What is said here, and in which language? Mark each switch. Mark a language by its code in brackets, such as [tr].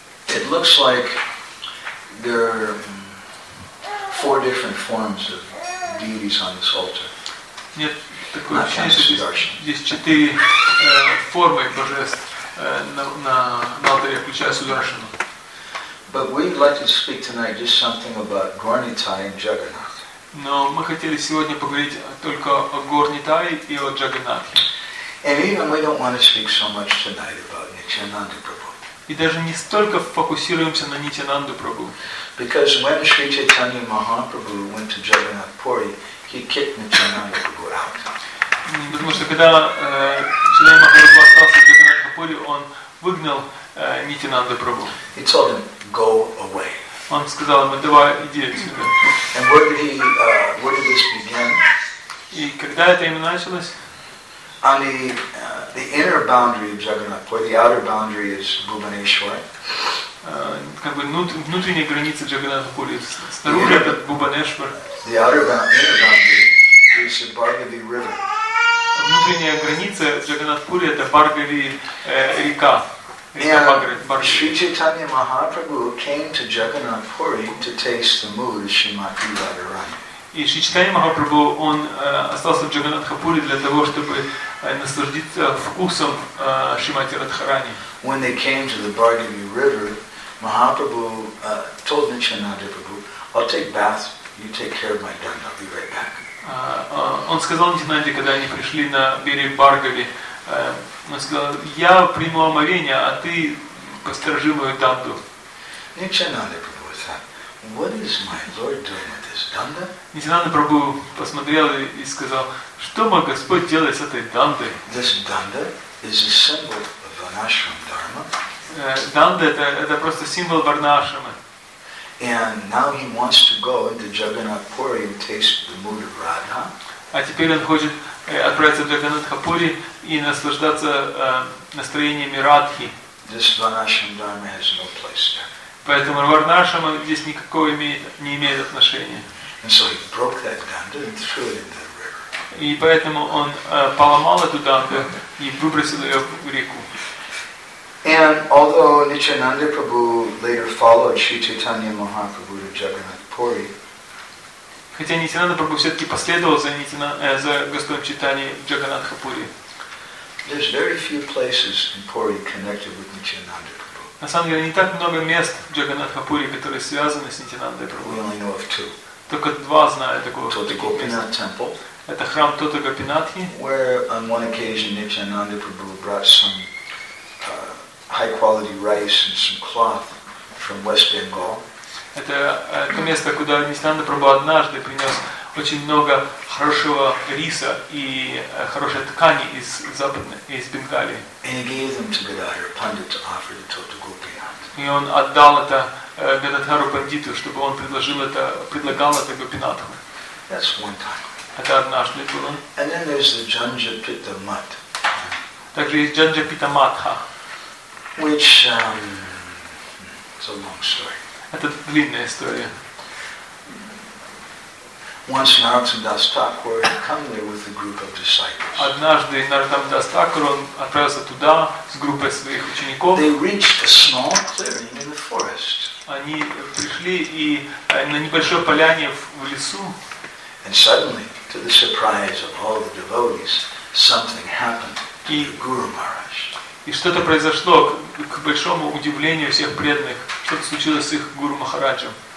[en] It looks like there are 4 different forms of deities on this altar. [ru] Нет, такое ощущение, что здесь 4 формы божеств на алтаре, включая Сударшану. [en] But we'd like to speak tonight just something about Gaura-Nitai and Jagannath. [ru] Но мы хотели сегодня поговорить только о Гаура-Нитай и о Джаганнате. [en] And even we don't want to speak so much tonight about Nityananda Prabhu. [ru] И даже не столько фокусируемся на Нитянанду Прабху. [en] Because when Sri Chaitanya Mahaprabhu went to Jagannath Puri, he kicked Nityananda Prabhu out. [ru] Потому что когда Чайтанья Махапрабху остался в Майяпуре он выгнал Нитянанда Прабху. [en] He told him, go away. [ru] Он сказал ему, давай иди отсюда. [en] And where did he, where did this begin? [ru] И когда это именно началось? [en] On the, the inner boundary of Jagannath, where the outer boundary is Bhubaneswar. [ru] Как бы внутренняя граница Джагнатха Пури снаружи это Бхубанешвар. [en] The outer boundary is the Bhargavi River. [ru] Внутренняя граница Джагнатха Пури это Бхаргави река. [en] Шри Чайтанья Махапрабху came to Jagannath Puri to taste the mood of Shrimati Radharani. [ru] И Шри Чайтанья Махапрабху он остался в Джагнатха Пури для того, чтобы насладиться вкусом Шримати Радхарани. [en] When they came to the Bhargavi River, Mahaprabhu told Nityananda Prabhu, "I'll take bath. You take care of my dung. I'll be right back." [ru] Он сказал Нитянанде, когда они пришли на берег Бхаргави, он сказал, "Я приму омовение, а ты посторожи мою данду." [en] Nityananda Prabhu said, "What is my Lord doing with this danda?" [ru] Nityananda Prabhu посмотрел и сказал, "Что мой Господь делает с этой дандой?" [en] This danda is a symbol of Vanashram Dharma. [ru] Данда это просто символ Варнашрамы. [en] And now he wants to go into Jagannath Puri and taste the mood of Radha. [ru] А теперь он хочет отправиться в Джагнатха Пури и наслаждаться настроениями Радхи. [en] This Varnashram Dharma has no place there. [ru] Поэтому Варнашрама здесь никакого не имеет отношения. [en] And so he broke that danda and threw it into the river. [ru] И поэтому он поломал эту данду и выбросил ее в реку. [en] And although Nityananda Prabhu later followed Sri Chaitanya Mahaprabhu to Jagannath Puri, [ru] хотя Нитянанда Прабху все-таки последовал за Господом Чайтаньей в Джагнатха Пури, [en] there's very few places in Puri connected with Nityananda Prabhu. [ru] На самом деле не так много мест в Джагнатха Пури, которые связаны с Нитянандой Прабху. [en] We only know of two. [ru] Только два знают такого. [en] Тотагопинат Temple. [ru] Это храм Тотагопинатхи. [en] Where on one occasion Nityananda Prabhu brought some high quality rice and some cloth from West Bengal. [ru] Это место, куда Нитянанда Прабху однажды принес очень много хорошего риса и хорошей ткани из Бенгалии. [en] And he gave them to Gadadhar Pandit to offer it to Gopinath. [ru] И он отдал это Гададхару Пандиту, чтобы он предлагал это Гопинатху. [en] That's one time. [ru] Это однажды было. [en] And then there's the Janja Pitta Mat. [ru] Также есть Janja Pitta Matha. [en] Which it's a long story. [ru] Это длинная история. [en] Once Narottam Das Thakur came there with a group of disciples. [ru] Однажды Нартам Дас Такур отправился туда с группой своих учеников. [en] They reached a small clearing in the forest. [ru] Они пришли и на небольшой поляне в лесу. [en] And suddenly, to the surprise of all the devotees, something happened to the Guru Maharaj. [ru] И что-то произошло, к большому удивлению всех преданных, что-то случилось с их Гуру Махараджем.